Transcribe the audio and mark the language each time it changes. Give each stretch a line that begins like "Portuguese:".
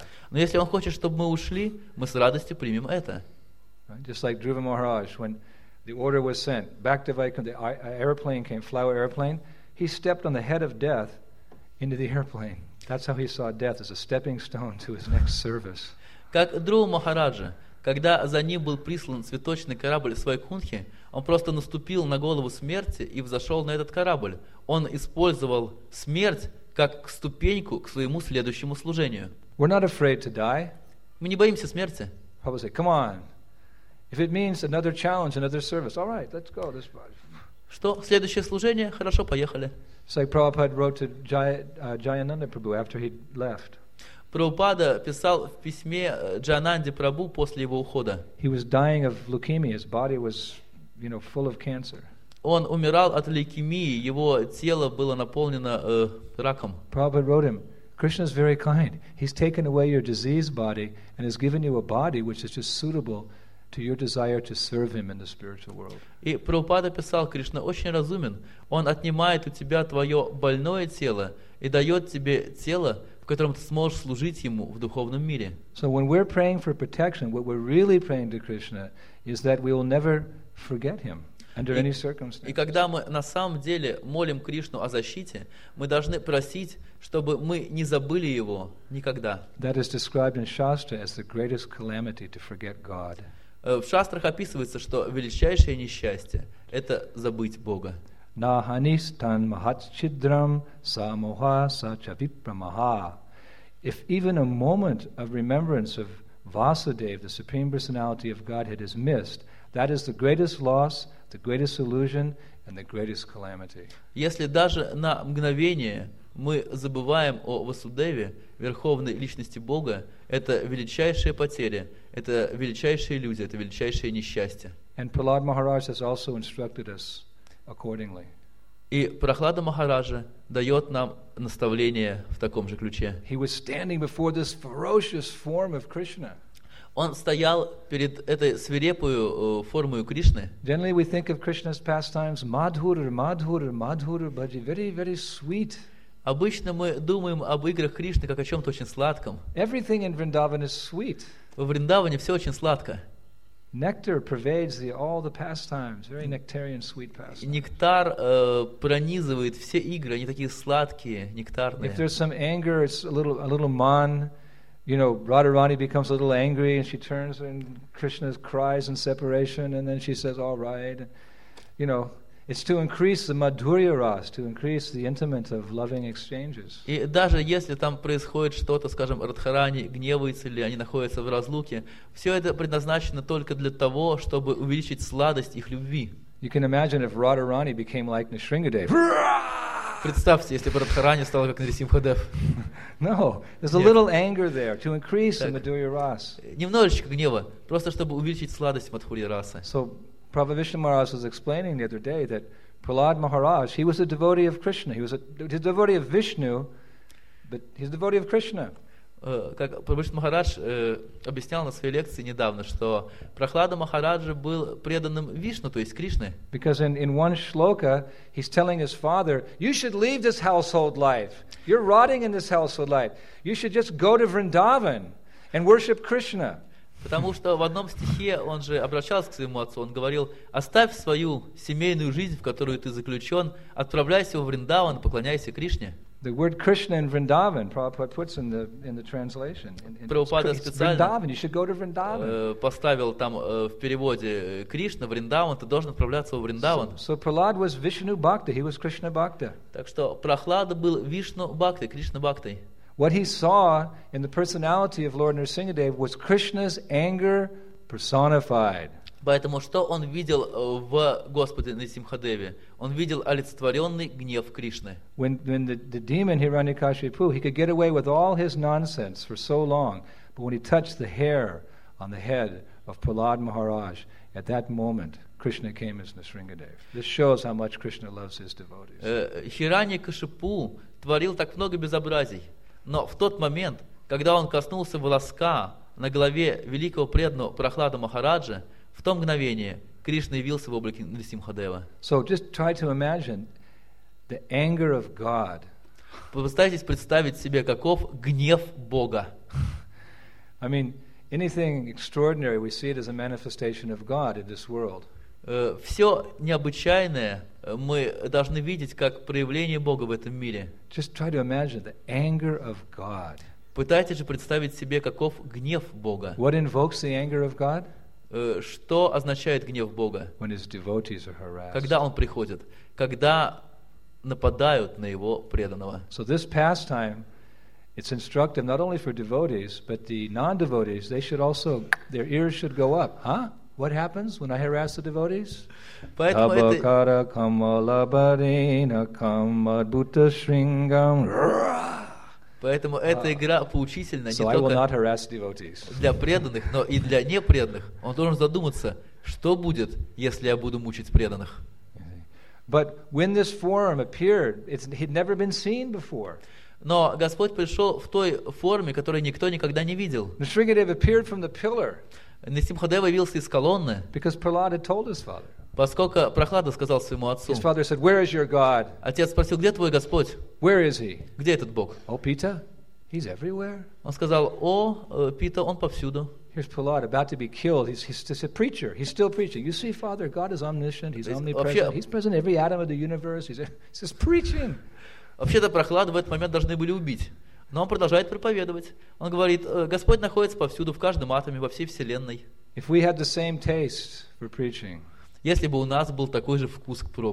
Russian: Но если Он хочет, чтобы мы ушли, мы с радостью примем это.
English: Just like Dhruva Maharaj, when the order was sent back to Vaikunth, the airplane came, flower airplane, he stepped on the head of death into the airplane. That's how he saw death as a stepping stone to his next service.
Russian: Как Dhruva Maharaja, когда за ним был прислан цветочный корабль с Вайкунхи, он просто наступил на голову смерти и взошел на этот корабль. Он использовал смерть как ступеньку к своему следующему служению.
English: We're not afraid to die.
Russian: Мы не боимся смерти.
English: Prabhupada said, "Come on. If it means another challenge, another service, all right, let's go." This
Russian: Что следующее служение? Хорошо, поехали.
English: So Prabhupada wrote to Jayananda Prabhu after he left.
Russian: Прабхупада писал в письме Джананде Прабху после его ухода.
English: He was dying of leukemia. His body was, you know, full of cancer.
Russian: Он умирал от лейкемии. Его тело было наполнено раком.
English: Prabhupada wrote him, "Krishna is very kind. He's taken away your diseased body and has given you a body which is just suitable to your desire to serve him in the spiritual world."
Russian: И Прабхупада писал: "Кришна очень разумен. Он отнимает у тебя твое больное тело и дает тебе тело, в котором ты сможешь служить ему в духовном мире."
English: So when we're praying for protection, what we're really praying to Krishna is that we will never forget him under any circumstances.
Russian: И когда мы на самом деле молим Кришну о защите, мы должны просить, чтобы мы не забыли его никогда.
English: That is described in Shastra as the greatest calamity to forget God.
Russian: В шастрах описывается, что величайшее несчастье — это забыть Бога.
Sanskrit: Nahanistan mahatchidram samoha sachavipramaha.
English: If even a moment of remembrance of Vasudev, the Supreme Personality of Godhead, is missed, that is the greatest loss, the greatest illusion, and the greatest calamity.
Russian: Если даже на мгновение мы забываем о Васудеве, Верховной Личности Бога, это величайшая потеря, это величайшая иллюзия, это величайшее несчастье.
English: And Prahlad Maharaj has also instructed us accordingly.
Russian: И Прахлада Махараджа дает нам наставление в таком же ключе.
English: He was standing before this ferocious form of Krishna.
Russian: Он стоял перед этой свирепой формой Кришны.
English: Generally we think of Krishna's pastimes, Madhura, Madhura, Madhura, Bhaji, very, very sweet.
Russian: Обычно мы думаем об играх Кришны как о чем-то очень сладком.
English: Everything in Vrindavan is sweet.
Russian: Во Вриндаване все очень сладко.
English: Nectar pervades all the pastimes, very nectarian, sweet pastimes.
Russian: Нектар пронизывает все игры, они такие сладкие, нектарные.
English: If there's some anger, it's a little man. You know, Radharani becomes a little angry and she turns and Krishna cries in separation and then she says, "All right." You know, it's to increase the madhurya ras, to increase the intimate of loving exchanges.
Russian: И даже если там происходит что-то, скажем, Радхарани гневается или они находятся в разлуке, все это предназначено только для того, чтобы увеличить сладость их любви.
English: You can imagine if Radharani became like Nrisimhadev.
Russian: Представьте, если бы Радхарани стала как Нрисимхадев.
English: No, there's a little anger there to increase the madhurya ras.
Russian: Немножечко гнева, просто чтобы увеличить сладость мадхурья расы.
English: Prabhu Vishnu Maharaj was explaining the other day that Prahlad Maharaj, he was a devotee of Krishna. He was a devotee of Vishnu, but he's a devotee of Krishna.
Russian: Как Prabhu Vishnu Maharaj объяснял на своей лекции недавно, что Прахлада Махараджа был преданным Вишну, то есть Кришне.
English: Because in one shloka, he's telling his father, "You should leave this household life. You're rotting in this household life. You should just go to Vrindavan and worship Krishna."
Russian: Потому что в одном стихе он же обращался к своему отцу, он говорил: «Оставь свою семейную жизнь, в которую ты заключен, отправляйся во Вриндаван, поклоняйся Кришне».
English: The word Krishna in Vrindavan, Prabhupada puts in the translation.
Russian: Prabhupada специально
English: Vrindavan, you should go to Vrindavan.
Russian: Поставил там в переводе Кришна, Вриндаван, ты должен отправляться во Вриндаван.
English: So Prahlad was Vishnu Bhakta, he was Krishna Bhakta.
Russian: Так что Прахлада был Вишну Бхакта, Кришна Бхактой.
English: What he saw in the personality of Lord Nrisimhadev was Krishna's anger personified.
Russian: Поэтому что он видел в Господе Нрисимхадеве? Он видел олицетворенный гнев Кришны.
English: When the demon Hiranyakashipu, he could get away with all his nonsense for so long, but when he touched the hair on the head of Prahlad Maharaj, at that moment Krishna came as Nrisimhadev. This shows how much Krishna loves his devotees.
Russian: Hiranyakashipu творил так много безобразий. Но в тот момент, когда он коснулся волоска на голове великого преданного Прахлада Махараджа, в то мгновение Кришна явился в облике Нрисимхадева.
English: So just try to imagine the anger of God.
Russian: Попытайтесь представить себе, каков гнев Бога.
English: I mean, anything extraordinary, we see it as a manifestation of God in this world.
Russian: Все необычайное мы должны видеть как проявление Бога в этом мире.
English: Just try to imagine the anger of God.
Russian: Пытайтесь же представить себе, каков гнев Бога.
English: What invokes the anger of God?
Russian: Что означает гнев Бога?
English: When his devotees are harassed.
Russian: Когда он приходит, когда нападают на его преданного.
English: So this pastime It's instructive not only for devotees, but the non-devotees, they should also, their ears should go up. Huh? What happens when I harass the devotees?
Sanskrit: Abhakara kamala badina kamadbhuta shringam.
Russian: Поэтому эта игра поучительна
English: so
Russian: не
English: I
Russian: только для преданных, но и для непреданных. Он должен задуматься, что будет, если я буду мучить преданных.
English: But when this form appeared, it had never been seen before.
Russian: Но Господь пришел в той форме, которую никто никогда не видел.
English: Нисхингадева appeared from the pillar.
Russian: Нисхингадева явился из колонны.
English: Because Prahlada told his father.
Russian: Поскольку Прохлада сказал своему отцу.
English: His father said, "Where is your God?"
Russian: Отец спросил, где твой Господь?
English: Where is he?
Russian: Где этот Бог?
English: Oh, Pita, he's everywhere.
Russian: Он сказал, о, Пита, он повсюду.
English: Here's Prahlada about to be killed. He's a preacher. He's still preaching. You see, Father, God is omniscient. He's omnipresent. He's present in every atom of the universe. He's just preaching.
Russian: Вообще-то Прохлада в этот момент должны были убить. Но он продолжает проповедовать. Он говорит, Господь находится повсюду, в каждом атоме, во всей вселенной.
English: If we had the same taste for preaching,
Russian: если бы у нас был такой же вкус к